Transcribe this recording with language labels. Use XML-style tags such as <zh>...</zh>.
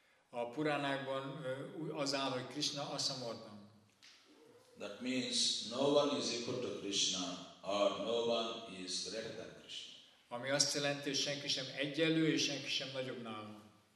<hu>A Puranákban az áll, hogy Krishna Asamardva.</hu> <en>That means no one is equal to Krishna, or no one is greater than Krishna.</en> <hu>Ami azt jelenti, hogy senki sem egyenlő, és senki sem nagyobb nála.</hu>